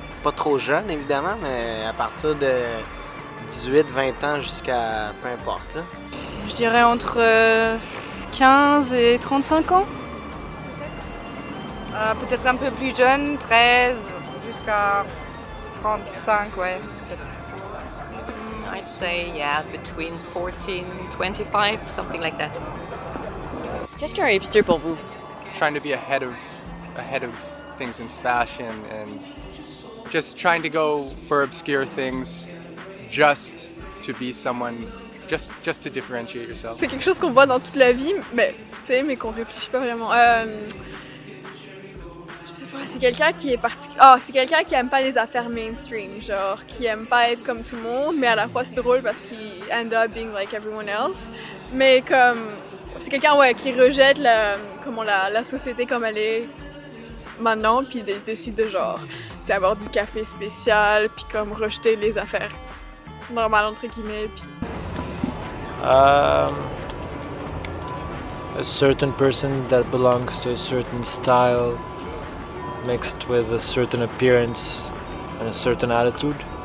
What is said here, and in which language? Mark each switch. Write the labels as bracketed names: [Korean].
[French] Pas trop jeune, évidemment, mais à partir de 18, 20 ans jusqu'à peu importe. Je dirais entre 15 et 35 ans. Peut-être un peu plus jeune, 13 jusqu'à 35, ouais. [English] I'd say, yeah, between 14 and 25, something like that. [French] Qu'est-ce qu'un hipster pour vous? [English] Trying to be ahead of things in fashion and just trying to go for obscure things just to be someone, just to differentiate yourself. [French] C'est quelque chose qu'on voit dans toute la vie, mais tu sais, mais qu'on réfléchit pas vraiment. C'est quelqu'un qui est c'est quelqu'un qui aime pas les affaires mainstream, genre qui aime pas être comme tout le monde, mais à la fois c'est drôle parce qu'il [English] end up being like everyone else, [French] mais comme c'est quelqu'un qui rejette la société comme elle est maintenant, puis décide de genre c'est avoir du café spécial, puis comme rejeter les affaires normales entre guillemets, puis [English] a certain person that belongs to a certain style mixed with a certain appearance and a certain attitude?